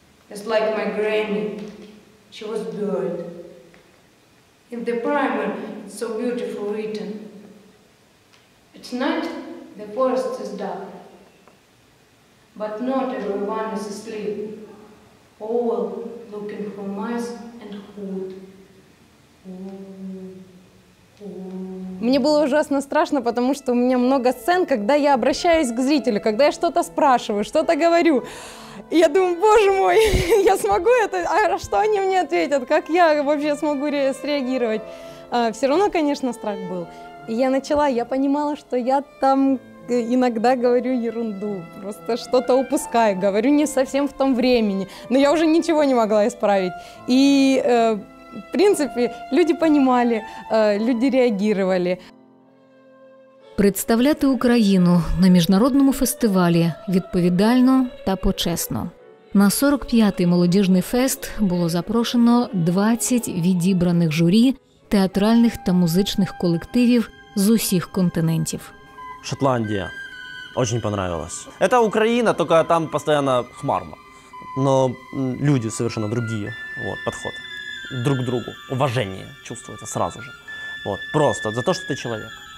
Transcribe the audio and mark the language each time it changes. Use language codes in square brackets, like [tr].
[en] It's like my granny. She was good. In the primer, it's so beautiful written. At night, the forest is dark. But not everyone is asleep. All looking for mice and hood. [ru] Мне было ужасно страшно, потому что у меня много сцен, когда я обращаюсь к зрителю, когда я что-то спрашиваю, что-то говорю. И я думаю, боже мой, я смогу это? А что они мне ответят? Как я вообще смогу среагировать? А, все равно, конечно, страх был. И я начала, я понимала, что я там иногда говорю ерунду, просто что-то упускаю, говорю не совсем в том времени. Но я уже ничего не могла исправить. И... [uk] В принципі, люди розуміли, люди реагували. Представляти Україну на міжнародному фестивалі відповідально та почесно. На 45-й молодіжний фест було запрошено 20 відібраних журі театральних та музичних колективів з усіх континентів. Шотландія. Дуже понравилось. Це Україна, тільки там постійно хмарно. Але люди совершенно інші. [ru] Вот, підход. Друг другу. Уважение чувствуется сразу же. Вот. Просто за то, что ты человек.